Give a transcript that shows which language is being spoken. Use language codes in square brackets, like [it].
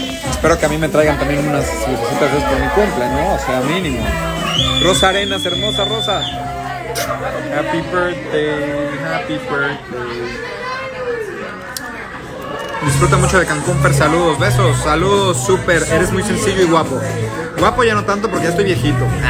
[es] Espero que a mí me traigan también unas lucecitas de por mi cumple, ¿no? O sea, mínimo. Rosa Arenas, hermosa Rosa. [en] Happy birthday, happy birthday. [es] Disfruta mucho de Cancún, Fer, saludos, besos, saludos, súper. Eres muy sencillo y guapo. Guapo ya no tanto porque ya estoy viejito.